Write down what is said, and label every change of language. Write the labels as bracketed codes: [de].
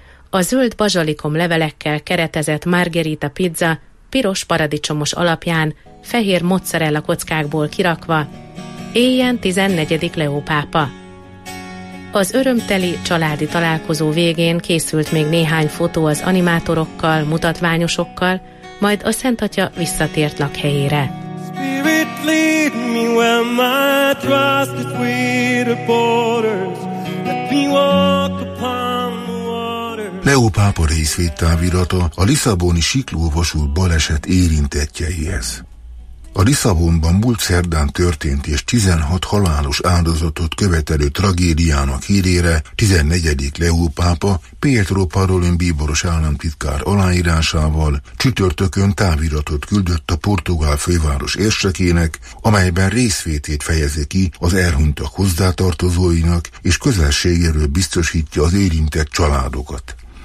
[hu] A zöld bazsalikom levelekkel keretezett margherita pizza piros paradicsomos alapján, fehér mozzarella kockákból kirakva, éljen 14. Leó pápa. Az örömteli családi találkozó végén készült még néhány fotó az animátorokkal, mutatványosokkal, majd a Szentatya visszatért lakhelyére. [en] Spirit, lead me where my trust is with the borders. Let me walk upon the water. [hu] Leó pápa részvédtávirata a lisszaboni siklóvasút baleset érintettjeihez. A Lisszabonban múlt szerdán történt és 16 halálos áldozatot követelő tragédiának hírére 14. Leó pápa Pietro Parolin bíboros államtitkár aláírásával csütörtökön táviratot küldött a portugál főváros érsekének, amelyben részvétét fejezi ki az elhunytak hozzátartozóinak és közelségéről biztosítja az érintett családokat.